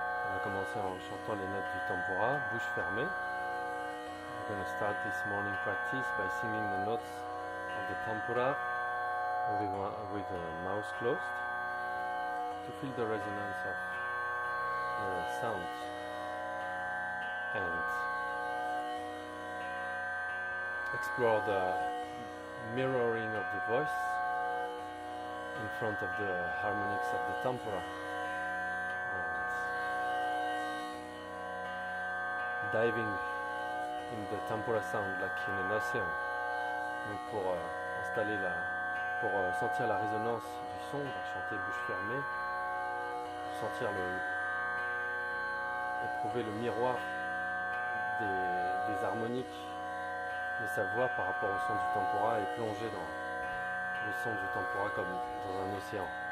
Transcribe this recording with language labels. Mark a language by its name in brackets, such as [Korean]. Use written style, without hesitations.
[French] On va commencer en chantant les notes du tambura, bouche fermée. [English] We're going to start this morning practice by singing the notes of the tambura with the mouth closed to feel the resonance of the sound and explore the mirroring of the voice in front of the harmonics of the tambura and diving in the tambura sound like in an ocean. [French] Donc pour installer la, pour sentir la résonance du son, on va chanter bouche fermée, pour sentir le, éprouver le miroir des harmoniques de sa voix par rapport au son du tempora et plonger dans le son du tempora comme dans un océan.